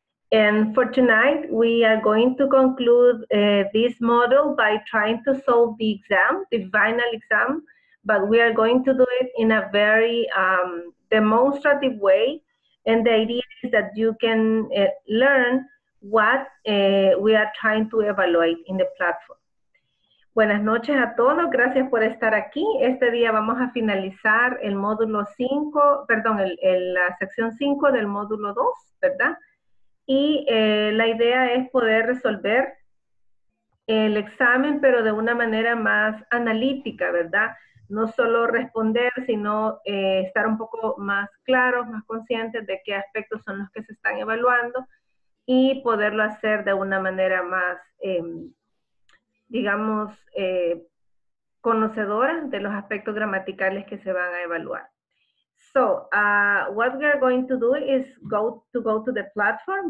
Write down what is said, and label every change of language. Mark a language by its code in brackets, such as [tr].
[en] And for tonight, we are going to conclude this module by trying to solve the exam, the final exam, but we are going to do it in a very demonstrative way. And the idea is that you can learn what we are trying to evaluate in the platform. [es] Buenas noches a todos, gracias por estar aquí. Este día vamos a finalizar el módulo 5, perdón, la sección 5 del módulo 2, ¿verdad? Y la idea es poder resolver el examen, pero de una manera más analítica, ¿verdad? No solo responder, sino estar un poco más claros, más conscientes de qué aspectos son los que se están evaluando, y poderlo hacer de una manera más, digamos, conocedora de los aspectos gramaticales que se van a evaluar. [en] So, what we are going to do is go to the platform.